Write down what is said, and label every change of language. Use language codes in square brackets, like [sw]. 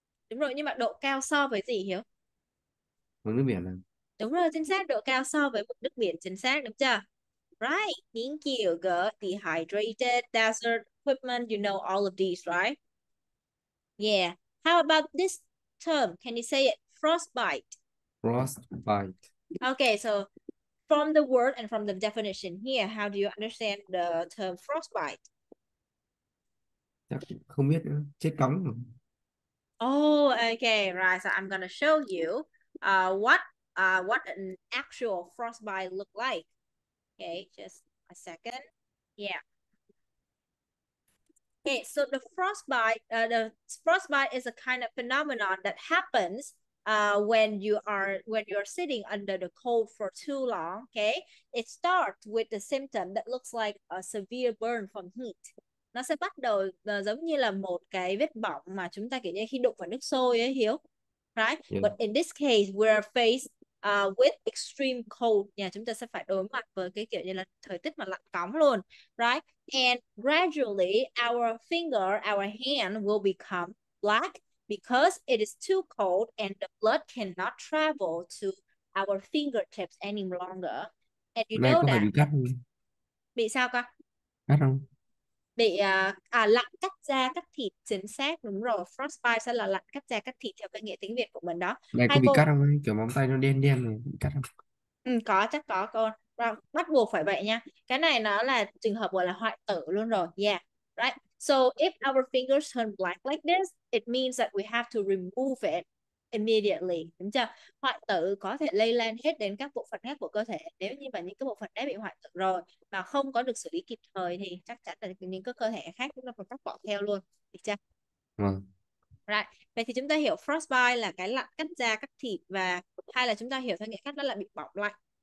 [vi] Đúng rồi, nhưng mà độ cao so với gì hiểu? Mất nước biển à? Đúng rồi, chính xác, độ cao so với mực nước biển, chính xác, đúng chưa? [en] Right, thank you, girl. Dehydrated, desert equipment, you know all of these, right? Yeah, how about this term? Can you say it? Frostbite. Frostbite. Okay, so from the word and from the definition here, how do you understand the term frostbite? [vi] Chắc không biết nữa. Chết cóng. [en] Oh, okay, right. So I'm gonna show you what an actual frostbite look like. Okay, just a second. Yeah. Okay, so the frostbite is a kind of phenomenon that happens when you're sitting under the cold for too long. Okay, it starts with the symptom that looks like a severe burn from heat. [vi] Nó sẽ bắt đầu giống như là một cái vết bỏng mà chúng ta kiểu như khi đụng vào nước sôi ấy, Hiếu. [en] Right? But in this case, we're faced with extreme cold. [vi] Yeah, chúng ta sẽ phải đối mặt với cái kiểu như là thời tiết mà lạnh cóng luôn. [en] Right? And gradually, our finger, our hand will become black because it is too cold and the blood cannot travel to our fingertips any longer. And you [vi] Này [en] that. [vi] bị cắt không? Bị sao con? Cắt không? Bị lặn cắt da cắt thịt, chính xác, đúng rồi, frostbite sẽ là lặn cắt da cắt thịt theo cái nghĩa tiếng Việt của mình đó. Này Hai có bị cắt cô không ấy? Kiểu móng tay nó đen đen rồi, bị cắt không? có chắc có con bắt buộc phải vậy nha, cái này nó là trường hợp gọi là hoại tử luôn rồi. [en] Yeah, right. So if our fingers turn black like this, it means that we have to remove it immediately, [vi] đúng chưa? Hoại tử có thể lây lan hết đến các bộ phận khác của cơ thể, nếu như mà những cái bộ phận đã bị hoại tử rồi mà không có được xử lý kịp thời thì chắc chắn là những cái cơ thể khác chúng ta phải cắt bỏ theo luôn, được chưa? Vâng. [en] Right. [vi] Vậy thì chúng ta hiểu frostbite là cái lặn cắt da cắt thịt, và hay là chúng ta hiểu theo nghĩa khác đó là bị bỏng lạnh.